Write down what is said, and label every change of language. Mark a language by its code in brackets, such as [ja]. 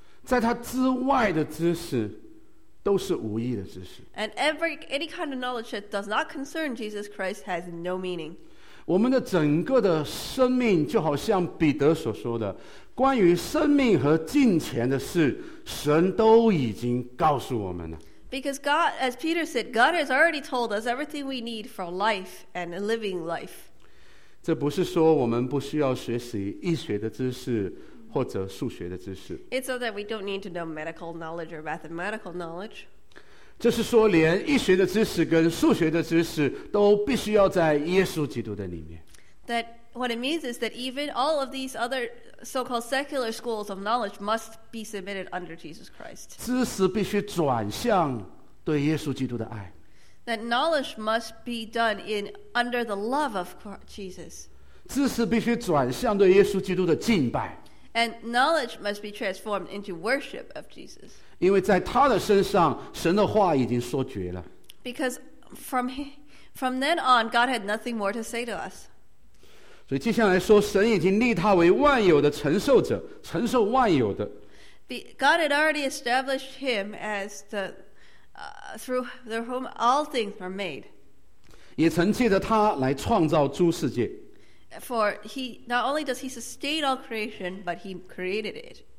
[zh] 在他之外的知识都是无益的知识。 [en] And any kind of knowledge that does not concern Jesus Christ has no meaning. [zh] 我们的整个的生命就好像彼得所说的，关于生命和金钱的事，神都已经告诉我们了。 [en] Because God, as Peter said, God has already told us everything we need for life and a living life. [zh] 这不是说我们不需要学习医学的知识或者数学的知识。 [en] It's not that we don't need to know medical knowledge or mathematical knowledge. [zh] 这是说连医学的知识跟数学的知识都必须要在耶稣基督的里面。 [en] That what it means is that even all of these other so-called secular schools of knowledge must be submitted under Jesus Christ. [zh] 知识必须转向对耶稣基督的爱。 [en] That knowledge must be done in under the love of Jesus. [zh] 知识必须转向对耶稣基督的敬拜。 [en] And knowledge must be transformed into worship of Jesus. [zh] 因为在他的身上，神的话已经说绝了。 [en] Because from then on, God had nothing more to say to us. [zh] 所以接下来说，神已经立他为万有的承受者，承受万有的。 [en] God had already established him as the through the whom all things were made. [zh] 也曾借着他来创造诸世界。 [en] For he not only does he sustain all creation, but he created it.